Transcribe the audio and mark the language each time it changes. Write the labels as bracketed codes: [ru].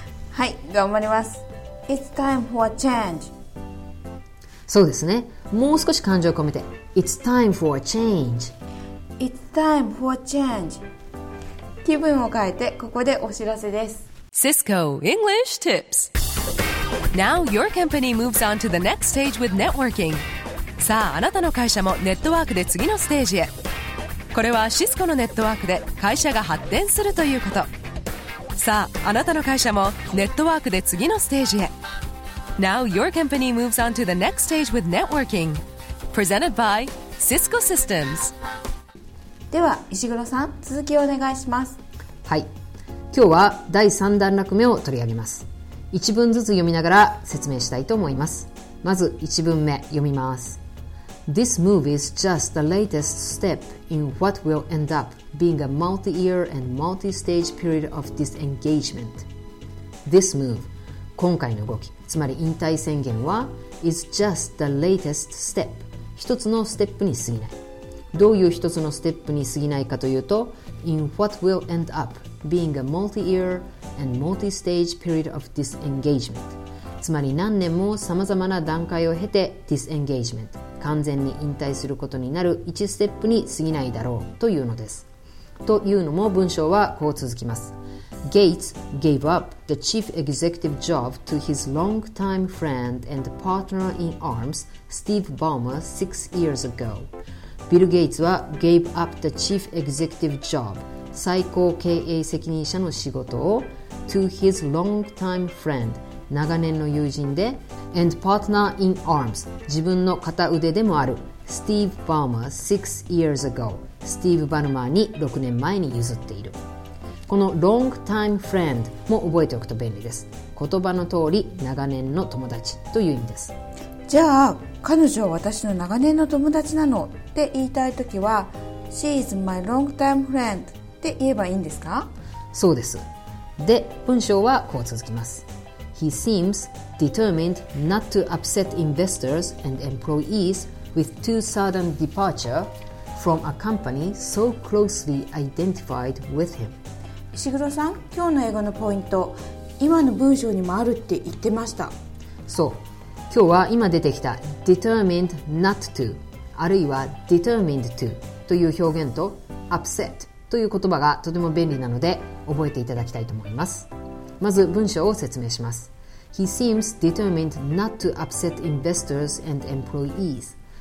[ja] はい、頑張ります。 [en] It's time for a change. [ja] そうですね、もう少し感情を込めて、 [en] It's time for a change. It's time for a change. [ja] 気分を変えて、ここでお知らせです。 [en] Cisco English Tips。 Now your company moves on to the next stage with networking。 [ja] さあ、あなたの会社もネットワークで次のステージへ。これは Cisco のネットワークで会社が発展するということ。さあ、あなたの会社もネットワークで次のステージへ。 [en] Now your company moves on to the next stage with networking。 Presented by Cisco Systems。 [ja] では石黒さん、続きをお願いします。はい、今日は第3段落目を取り上げます。一文ずつ読みながら説明したいと思います。まず一文目読みます。 [en] This movie is just the latest step in what will end up being a multi-year and multi-stage period of disengagement. This move [ja] 今回の動き、つまり引退宣言は [en] is just the latest step [ja] 一つのステップに過ぎない。どういう一つのステップに過ぎないかというと [en] in what will end up being a multi-year and multi-stage period of disengagement、 [ja] つまり何年もさまざまな段階を経て disengagement、完全に引退することになる1ステップに過ぎないだろうというのです。というのも文章はこう続きます。 [en] Gates gave up the chief executive job to his longtime friend and partner in arms Steve Ballmer 6 years ago。 [ja] ビル・ゲイツは [en] gave up the chief executive job、 [ja] 最高経営責任者の仕事を [en] to his longtime friend、 [ja] 長年の友人で [en] and partner in arms、 [ja] 自分の片腕でもあるSteve Ballmer [en] 6 years ago、 [ja] スティーブ・バルマーに6年前に譲っている。この [en] long time friend [ja] も覚えておくと便利です。言葉の通り長年の友達という意味です。じゃあ彼女は私の長年の友達なのって言いたいときは [en] She is my long time friend [ja] って言えばいいんですか？そうです。で文章はこう続きます。 [en] He seems determined not to upset investors and employees with two sudden departure from a company so closely identified with him. [ja] 石黒さん、今日の英語のポイント、今の文章にもあるって言ってました。そう、今日は今出てきた [en] determined not to、 [ja] あるいは [en] determined to [ja] という表現と upset という言葉がとても便利なので覚えていただきたいと思います。まず文章を説明します。 [en] He seems determined not to upset investors and employees.